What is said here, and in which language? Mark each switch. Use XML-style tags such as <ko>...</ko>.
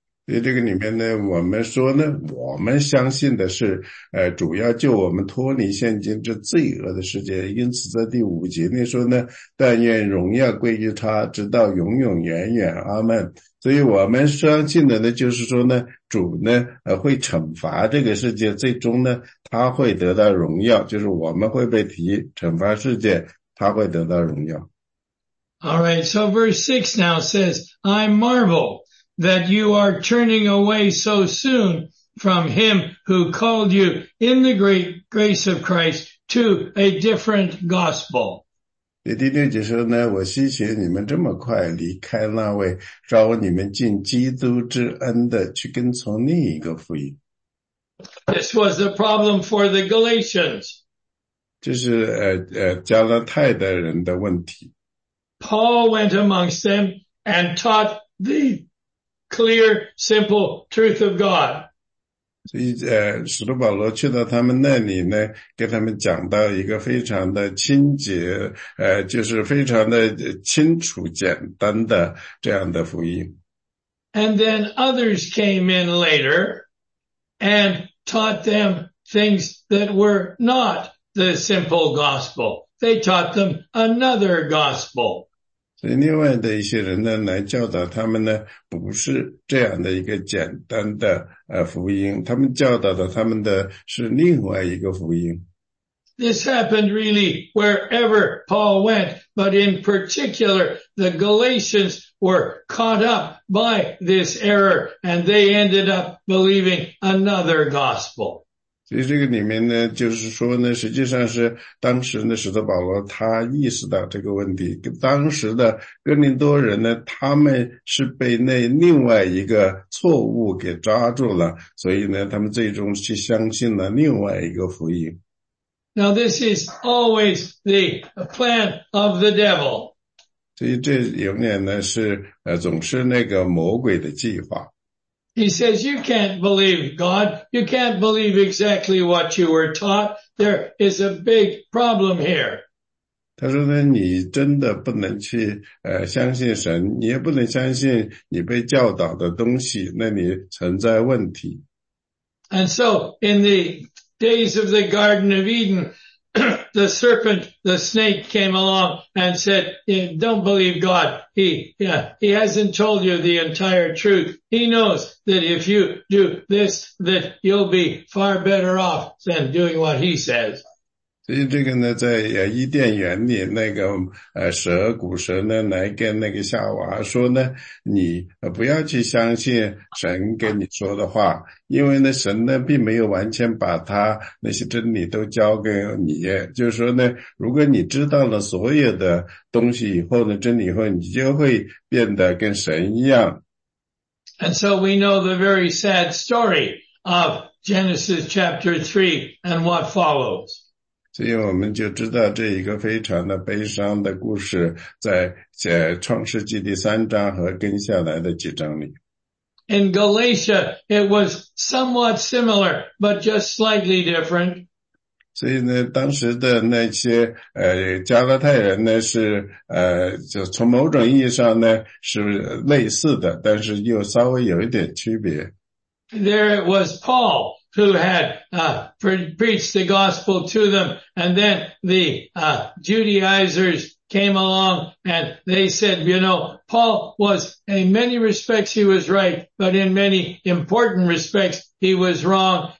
<zh>所以这个里面呢我们说呢我们相信的是主要救我们脱离现今这罪恶的世界，因此在第五节里说呢但愿荣耀归于他直到永永远远阿们。所以我们相信的呢就是说呢主呢会惩罚这个世界，最终呢他会得到荣耀，就是我们会被提惩罚世界他会得到荣耀。</zh> <en>Alright, so verse 6 now says, I marvel. That you are turning away so soon from him who called you in the great grace of Christ to a different gospel.</en> <zh>第六节说呢，我稀奇你们这么快离开那位召你们进基督之恩的，去跟从另一个福音。</zh> <en>This was the problem for the Galatians.</en> <zh>这是加拉太的人的问题。</zh> <en>Paul went amongst them and taught the clear, simple truth of God.</en> <zh>所以使徒保罗去到他们那里呢，跟他们讲到一个非常的清洁，就是非常的清楚简单的这样的福音。</zh> <en>And then others came in later and taught them things that were not the simple gospel. They taught them another gospel.</en> <zh>所以另外的一些人呢，来教导他们呢，不是这样的一个简单的福音，他们教导的他们的是另外一个福音。</zh> <en>This happened really wherever Paul went, but in particular, the Galatians were caught up by this error, and they ended up believing another gospel.</en> <zh>所以这个里面呢，就是说呢，实际上是当时呢，使徒保罗他意识到这个问题，当时的哥林多人呢，他们是被那另外一个错误给抓住了，所以呢，他们最终去相信了另外一个福音。</zh> <en>Now this is always the plan of the devil.</en> <zh>所以这永远呢是总是那个魔鬼的计划。</zh> <en>He says you can't believe God. You can't believe exactly what you were taught. There is a big problem here.</en> <zh>他说呢你真的不能去相信神，你也不能相信你被教导的东西，那里存在问题。</zh> <en>And so in the days of the Garden of Eden, the serpent, the snake came along and said, don't believe God. He hasn't told you the entire truth. He knows that if you do this, that you'll be far better off than doing what he says.</en> <zh>所以这个呢，在伊甸园里，那个蛇，古蛇呢，来跟那个夏娃说呢，你不要去相信神跟你说的话，因为呢，神呢并没有完全把他那些真理都交给你。就是说呢，如果你知道了所有的东西以后呢，真理以后，你就会变得跟神一样。</zh> <en>And so we know the very sad story of Genesis chapter 3 and what follows.</en> <zh>所以我们就知道这一个非常的悲伤的故事，在创世纪第三章和跟下来的几章里。</zh> <en>In Galatia, it was somewhat similar, but just slightly different.</en> <zh>所以呢，当时的那些加拉太人呢，是就从某种意义上呢是类似的，但是又稍微有一点区别。</zh> <en>There it was, Paul. Who had preached the gospel to them, and then the Judaizers came along and they said, you know, Paul was in many respects he was right, but in many important respects he was wrong.</en>